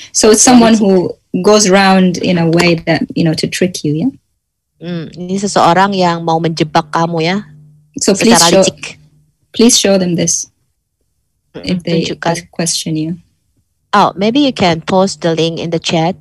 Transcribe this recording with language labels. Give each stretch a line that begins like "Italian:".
English: So it's someone who goes around in a way that, you know, to trick you, yeah?
Indonesian: Ini seseorang yang mau menjebak kamu, ya?
English: So please show them this, if they question you. Oh, maybe you can post the link in the chat.